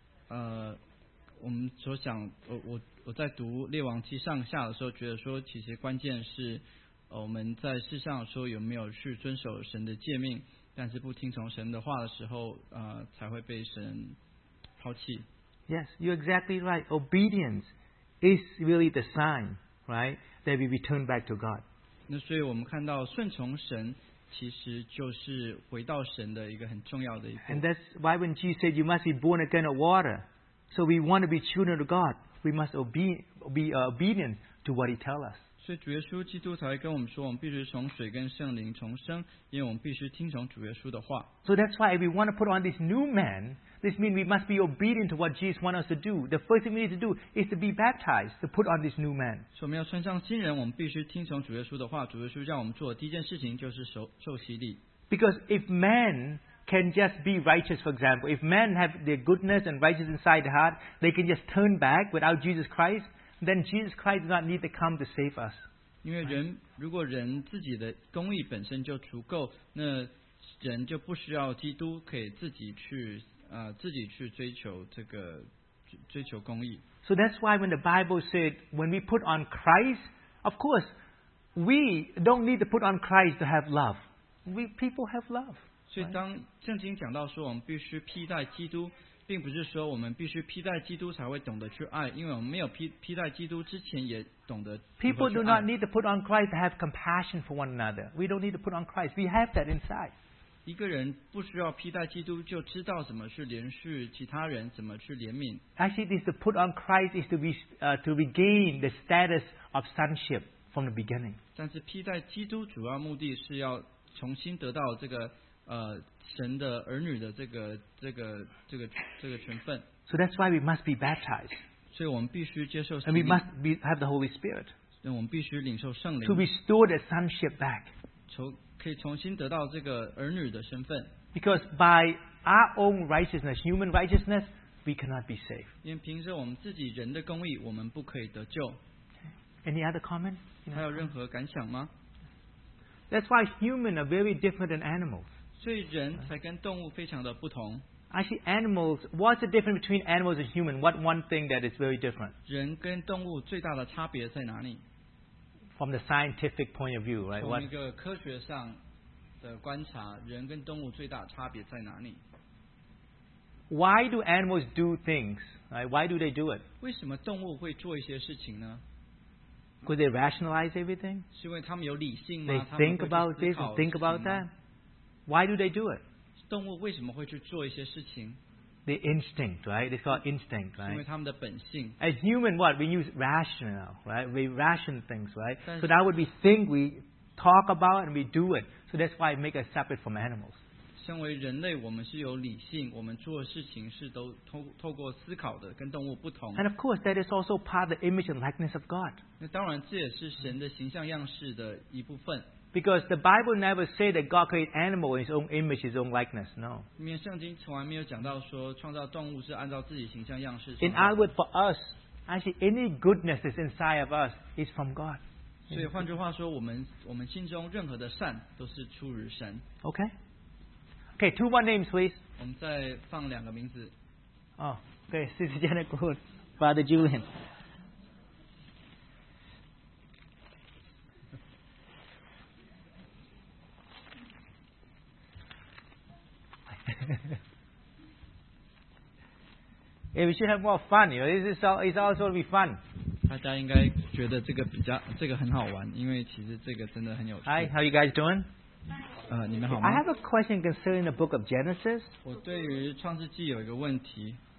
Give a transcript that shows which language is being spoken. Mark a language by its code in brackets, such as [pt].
[zh] 我们所想，我在读《列王记上下》的时候，觉得说，其实关键是，我们在世上说有没有去遵守神的诫命，但是不听从神的话的时候，才会被神抛弃。 [en] Yes, you're exactly right. Obedience is really the sign, right, that we return back to God. [zh] 那所以我们看到顺从神。其实就是回到神的一个很重要的一步。 [en] And that's why when Jesus said you must be born again of water, so we want to be children of God, we must obedient to what He tells us. [zh] 所以主耶稣基督才会跟我们说，我们必须从水跟圣灵重生，因为我们必须听从主耶稣的话。 [en] So that's why if we want to put on this new man, this means we must be obedient to what Jesus wants us to do. The first thing we need to do is to be baptized to put on this new man. [zh] 所以我们要穿上新人，我们必须听从主耶稣的话。主耶稣叫我们做的第一件事情就是受洗礼。 [en] Because if man can just be righteous, for example, if man have their goodness and righteousness inside the heart, they can just turn back without Jesus Christ. Then Jesus Christ does not need to come to save us. [zh] 因为人如果人自己的公义本身就足够，那人就不需要基督可以自己去自己去追求这个追求公义。 [en] So that's why when the Bible said when we put on Christ, of course we don't need to put on Christ to have love. We people have love. [zh] 所以当圣经讲到说我们必须披戴基督。并不是说我们必须披戴基督才会懂得去爱，因为我们没有披戴基督之前也懂得如何去爱。 [en] People do not need to put on Christ to have compassion for one another. We don't need to put on Christ. We have that inside. [zh] 一个人不需要披戴基督就知道怎么去怜恤其他人，怎么去怜悯。 [en] Actually, this to put on Christ is to regain the status of sonship from the beginning. [zh] 但是披戴基督主要目的是要重新得到这个。神的儿女的这个身份。 [en] So that's why we must be baptized. [zh] 所以我们必须接受。 [en] And we must have the Holy Spirit. [zh] 那我们必须领受圣灵。 [en] To restore the sonship back. [zh] 可以重新得到这个儿女的身份。 [en] Because by our own righteousness, human righteousness, we cannot be saved. [zh] 因为凭着我们自己人的公义，我们不可以得救。 [en] Any other comment? [zh] 还有任何感想吗 [en] ？That's why humans are very different than animals. [zh] 所以人才跟动物非常的不同。 [en] Actually, animals. What's the difference between animals and human? What one thing that is very different? [zh] 人跟动物最大的差别在哪里 [en] ？From the scientific point of view, right? [zh] 从一个科学上的观察，人跟动物最大的差别在哪里 [en] ？Why do animals do things? Right? Why do they do it? [zh] 为什么动物会做一些事情呢？ [en] Could they rationalize everything? [zh] 是因为他们有理性吗 [en] ？They think about this and think about that. Why do they do it? [zh] 动物为什么会去做一些事情 [en] The instinct, right? It's called instinct, right? [zh] 因为他们的本性 [en] As human, what? We use rational, right? We ration things, right? So that would be thing we talk about and we do it. So that's why it makes us separate from animals. [zh] 身为人类，我们是有理性，我们做事情是都透过思考的，跟动物不同。 [en] And of course, that is also part of the image and likeness of God. [zh] 那当然，这也是神的形象样式的一部分。 [en] Because the Bible never said that God created animal in His own image, His own likeness. No. [zh] 因为圣经从来没有讲到说创造动物是按照自己形象样式。 [en] In other words, for us, actually, any goodness that's inside of us is from God. [zh] 所以换句话说，我们心中任何的善都是出于神。 [en] Okay. Okay, two more names, please. [zh] 我们再放两个名字。 [en] Oh, okay, Sister Janet Good, Father Julian. Hey, we should have more fun. You know, it's all supposed to be fun. [zh] 大家应该觉得这个比较这个很好玩，因为其实这个真的很有趣。 [en] Hi, how you guys doing? [zh] 你们好吗 [en] ？I have a question concerning the book of Genesis. [zh] 我对于创世纪有一个问题。